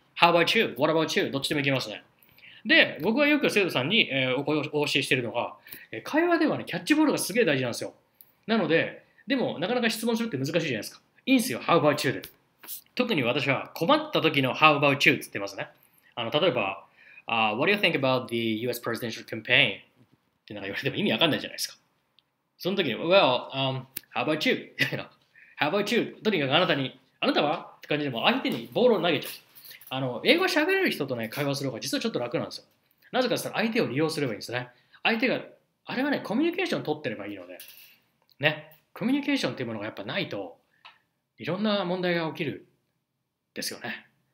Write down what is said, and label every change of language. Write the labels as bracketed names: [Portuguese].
[English] How about you? What about you? [Japanese] どっちでもいけますね。で、僕はよく生徒さんに、お教えしているのが、会話ではね、キャッチボールがすげえ大事なんですよ。なので、でも、なかなか質問するって難しいじゃないですか。いいんですよ。 [English] How about you? [Japanese] で。特に私は困った時の [English] How about you? [Japanese] って言ってますね。 [English] 例えば、What do you think about the US presidential campaign? [Japanese] ってなんか言われても意味わかんないじゃないですか。 [English] その時に、Well, how about you? [Japanese] みたいな。 [English] How about you? [Japanese] とにかくあなたに、あなたはって感じでも相手にボールを投げちゃう。英語喋れる人とね、会話する方が実はちょっと楽なんですよ。なぜかって相手を利用すればいいんですね。相手が、あれはね、コミュニケーション取ってればいいので。ね。コミュニケーションっていうものがやっぱないと、いろんな問題が起きる、ですよね。